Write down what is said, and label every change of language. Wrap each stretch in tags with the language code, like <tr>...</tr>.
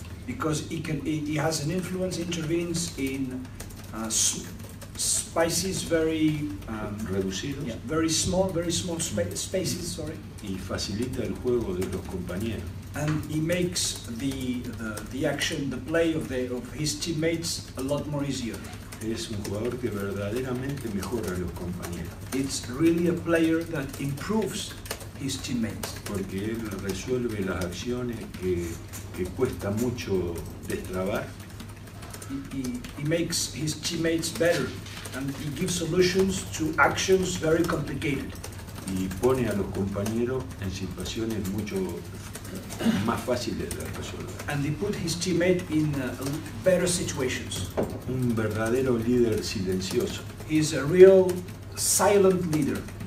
<en>Because he has an influence, intervenes in spaces very</en> <es>reducidos,</es> <en>yeah, very small spaces, sorry.</en> <es>Y facilita el juego de los compañeros.</es> <en>And he makes the action, the play of his teammates a lot more easier.</en> <es>Es un jugador que verdaderamente mejora a los compañeros.</es> <en>It's really a player that improves his teammates.</en> <es>Porque él resuelve las acciones que cuesta mucho destrabar.</es> <en>He makes his teammates better, and he gives solutions to actions very complicated.</en> <es>Y pone a los compañeros en situaciones mucho más fáciles de resolver.</es> <en>And he put his teammate in better situations.</en> <es>Un verdadero líder silencioso.</es> <en>He's a real silent leader.</en>